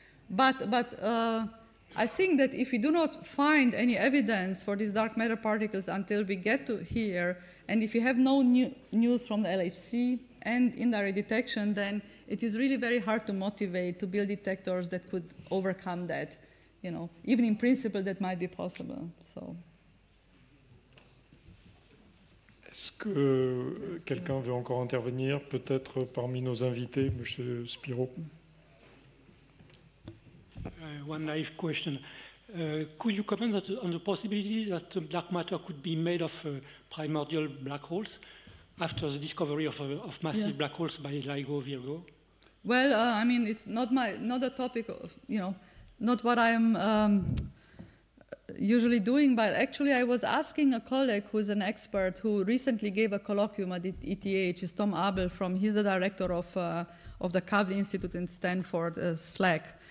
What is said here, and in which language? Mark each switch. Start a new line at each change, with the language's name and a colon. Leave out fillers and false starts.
English: But I think that if we do not find any evidence for these dark matter particles until we get to here, and if we have no news from the LHC and indirect detection, then it is really very hard to motivate to build detectors that could overcome that. You know, even in principle, that might be possible. So.
French: Est-ce que quelqu'un veut encore intervenir, peut-être parmi nos invités, M. Spiro?
English: One naive question. Could you comment on the possibility that dark matter could be made of primordial black holes after the discovery of massive black holes by LIGO, Virgo? Well, I mean, it's not a topic of, you know, not what I am usually doing, but actually I was asking a colleague who is an expert who recently gave a colloquium at ETH, is Tom Abel, from, he's the director of the Kavli Institute in Stanford, SLAC.